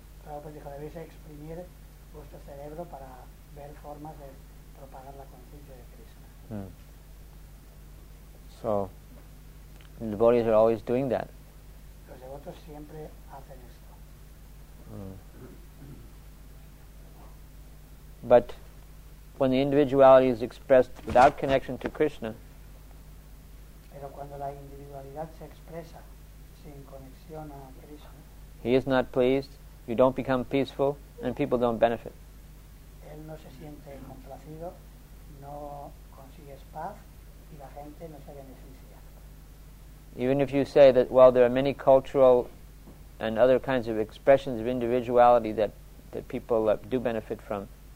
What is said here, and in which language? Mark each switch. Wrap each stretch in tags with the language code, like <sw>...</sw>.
<es>Prabhupada dijo, debéis exprimir vuestro cerebro para ver formas de propagar la conciencia de Krishna.</es> <en>So, the devotees are always doing that.</en> <es>Los devotos siempre hacen esto.</es> <en>But when the individuality is expressed without connection to Krishna,</en> <es>pero cuando la individualidad se expresa sin conexión a Krishna,</es> <en>he is not pleased, you don't become peaceful, and people don't benefit.</en> <es>Él no se siente complacido, no consigues paz, y la gente no se beneficia.</es> <en>Even if you say that, well, there are many cultural and other kinds of expressions of individuality that people do benefit from.</en>